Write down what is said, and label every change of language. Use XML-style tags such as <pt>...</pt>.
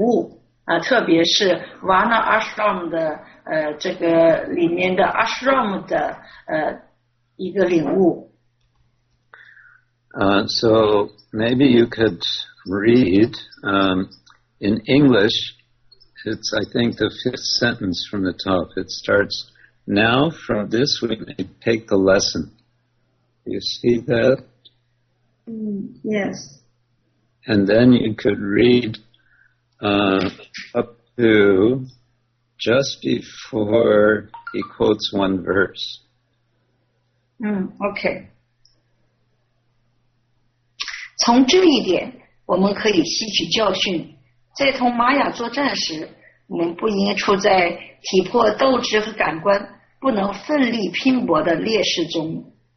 <zh>所以帕帕德就从这个故事当中呢，就得为我们得到了一个领悟，特别是 Varna Ashram 的这个里面的 Ashram 的一个领悟。</zh> <en>So maybe you could read in English. It's I think the fifth sentence from the top. It starts now from this we may take the lesson. You see that? Yes. And then you could read up to just before he quotes one verse. Okay.</en> <zh>从这一点，我们可以吸取教训，在同玛雅作战时，我们不应该处在体魄斗志和感官不能奋力拼搏的劣势中。</zh>